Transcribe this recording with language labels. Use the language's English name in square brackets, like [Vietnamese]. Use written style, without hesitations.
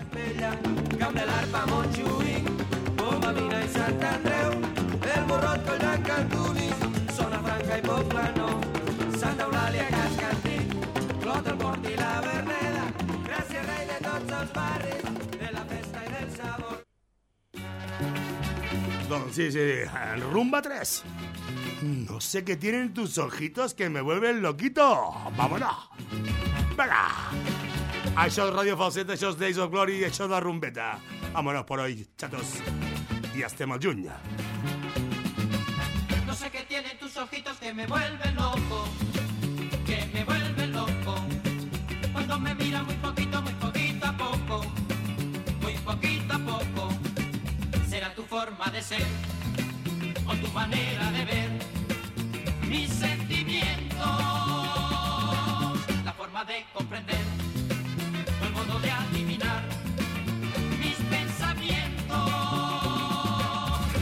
[Catalan] Camp de l'Arpa, Montjuïc, Poma, Mina i Sant Andreu, el Morrot, Coll d'en Cantunis, Zona Franca i Poble Nou, Santa Eulàlia, Cascantí, Clot, el Port i la Verneda, gràcies, rei de tots els barris, de la festa i del sabor. Doncs sí, sí, en Rumba 3. [Spanish] No sé qué tienen tus ojitos que me vuelven loquito. ¡Vámonos! ¡Venga! [Catalan] Això és Radio Falset, això és Days of Glory i això és la rumbeta. [Spanish] Vámonos por hoy, chatos. [Catalan] I estem al juny. [Spanish] No sé qué tienen tus ojitos que me vuelven loco. Que me vuelven loco. Cuando me miran muy poquito a poco. Muy poquito a poco. Será tu forma de ser o tu manera de ver mis sentimientos, la forma de comprender o el modo de adivinar mis pensamientos.